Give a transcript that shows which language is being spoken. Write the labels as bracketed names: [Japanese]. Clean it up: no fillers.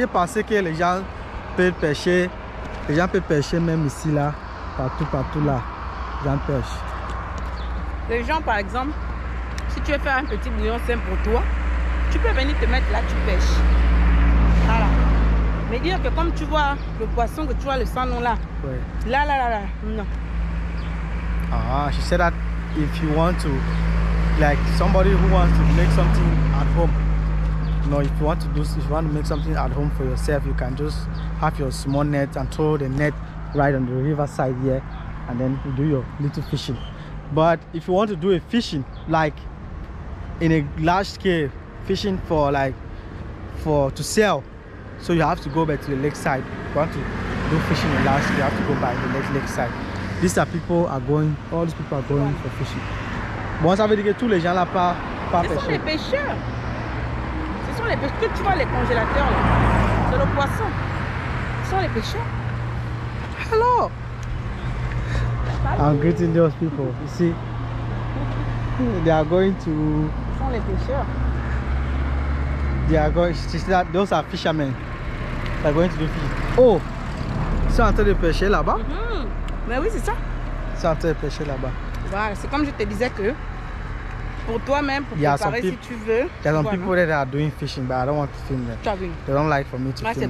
[French] Je pensais que les gens peuvent pêcher. Les gens peuvent pêcher même ici, là. Partout là. Les gens pêchent. Les gens, par exemple, si tu veux faire un petit bouillon simple pour toi, tu peux venir te mettre là, tu pêches. Voilà. Mais dire que comme tu vois le poisson, que tu vois le sang, non, là. Oui. Là. Non. [English] Ah, she said that if you want to, like somebody who wants to make something at home, you know, if you want to make something at home for yourself, you can just have your small net and throw the net right on the riverside here, and then you do your little fishing. But if you want to do a fishing like in a large scale, fishing for like for to sell, so you have to go back to the lakeside. If you want to do fishing in large scale, you have to go back to the lakeside. These are people are going, all these people are going for fishing. [French] Bon, ça veut dire que tous les gens là pas pêcheurs. Ce sont les pêcheurs. Ce sont les pêcheurs. Tu vois les congélateurs là. C'est le poisson. Ce sont les pêcheurs. [English] Hello. I'm greeting those people. You see, they are going to. [French] Ce sont les pêcheurs. [English] They are going. You see that? Those are fishermen. They are going to do fishing. [French] Oh, ils sont en train de pêcher là-bas. Mm-hmm. Mais oui, c'est ça. Ils sont en train de pêcher là-bas. Voilà, c'est comme je te disais que pour toi-même, pour préparer some people, si tu veux. [English] There are some people that are doing fishing, but I don't want to film them. They don't like for me to film them.